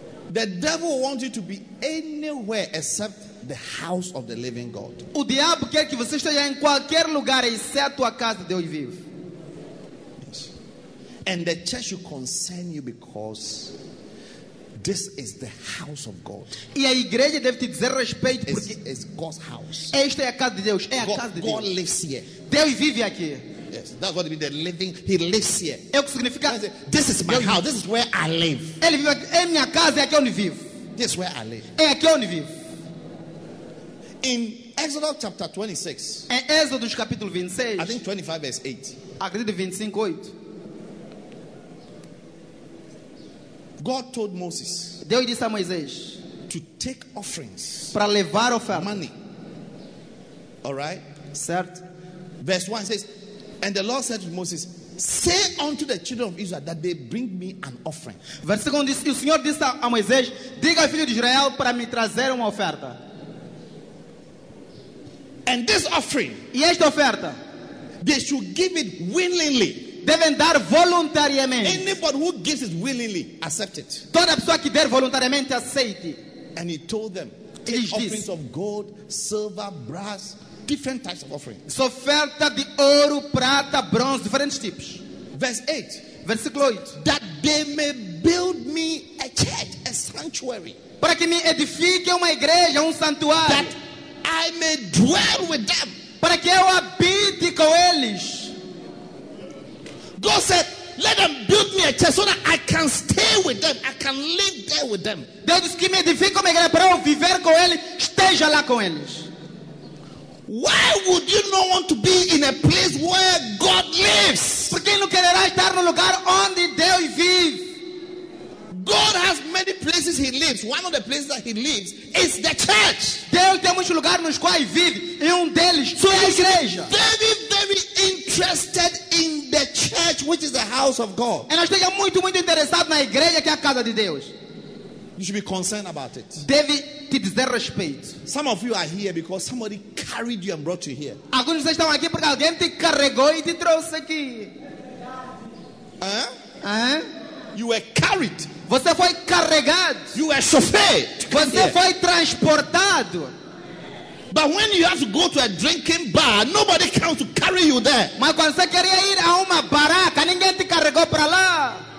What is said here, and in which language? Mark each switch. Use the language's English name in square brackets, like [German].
[English] The devil wants you to be anywhere except the house of the living God. [Portuguese] O diabo quer que você esteja em qualquer lugar exceto a casa de Deus vivo. [English] Yes. And the church should concern you because this is the house of God. [Portuguese] E a igreja deve te dizer respeito porque [English] it's God's house. [Portuguese] Esta é a casa de Deus. É a [English] God, [Portuguese] casa de [English] God [Portuguese] Deus. [English] Lives here. [Portuguese] Deus vive aqui. [English] Yes, that's what it means. The living, he lives here. [Portuguese] É o que significa. [English] This is my house. This is where I live. [Portuguese] Ele vive aqui. É minha casa. É aqui onde vivo. [English] This is where I live. [Portuguese] É aqui onde vivo. [English] In Exodus chapter 26. [Portuguese] Em Êxodo capítulo 26. [English] I think 25 verse 8. [Portuguese] Acredito 25:8. [English] God told Moses. [Portuguese] Deus disse a Moisés. [English] To take offerings. [Portuguese] Para levar oferta. [English] Money. All right. [Portuguese] Certo. [English] Verse 1 says, and the Lord said to Moses, say unto the children of Israel that they bring me an offering. [Portuguese] Versículo 1 diz, o Senhor disse a Moisés, diga ao filho de Israel para me trazer uma oferta. [English] And this offering, [Portuguese] e esta oferta, [English] they should give it willingly. [Portuguese] Devem dar voluntariamente. [English] Anybody who gives it willingly, accept it. [Portuguese] Toda pessoa que der voluntariamente, aceite. [English] And he told them, take offerings of gold, silver, brass, different types of offerings. [Portuguese] So oferta de ouro, prata, bronze, diferentes tipos. [English] Verse 8. [Portuguese] Versículo 8. [English] That they may build me a church, a sanctuary. [Portuguese] Para que me edifique uma igreja, santuário. [English] That I may dwell with them. [Portuguese] para que eu habite com eles. [English] God said, let them build me a church so that I can stay with them. I can live there with them. [Portuguese] Deus disse que me edifique uma igreja para eu viver com eles, esteja lá com eles. [English] Why would you not want to be in a place where God lives? [Portuguese] Porque não quererá estar no lugar onde Deus vive? [English] God has many places he lives. One of the places that he lives is the church. [Portuguese] Deus tem muitos lugares nos quais vive, e um deles é a igreja. [English] Very, very interested in the church, which is the house of God. [Portuguese] E nós temos muito, muito interessado na igreja, que é a casa de Deus. [English] You should be concerned about it. [Portuguese] Deve te dizer respeito. [English] Some of you are here because somebody carried you and brought you here. [Portuguese] Alguns de vocês estão aqui porque alguém te carregou e te trouxe aqui. [English] You were carried. [Portuguese] Você foi carregado. [English] You were chauffeured. [Portuguese] Você [English] here. [Portuguese] Foi transportado. [English] But when you have to go to a drinking bar, nobody comes to carry you there. [Portuguese] Mas quando você queria ir a uma barraca, ninguém te carregou para lá.